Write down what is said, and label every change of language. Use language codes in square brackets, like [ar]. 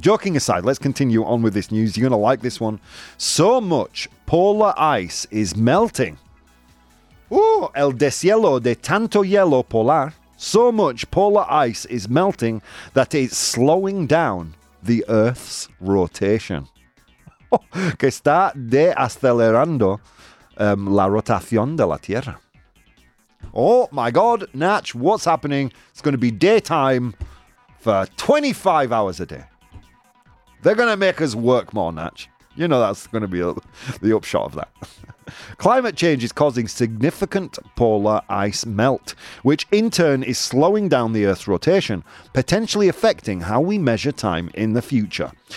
[en] Joking aside, let's continue on with this news. You're going to like this one. So much polar ice is melting. Ooh, [es] el deshielo de tanto hielo polar. [en] So much polar ice is melting that it's slowing down the Earth's rotation. [es] Que está desacelerando la rotación de la Tierra. [en] Oh my God, Natch, what's happening? It's going to be daytime for 25 hours a day. They're going to make us work more, Natch. You know that's going to be the upshot of that. Climate change is causing significant polar ice melt, which in turn is slowing down the Earth's rotation, potentially affecting how we measure time in the future.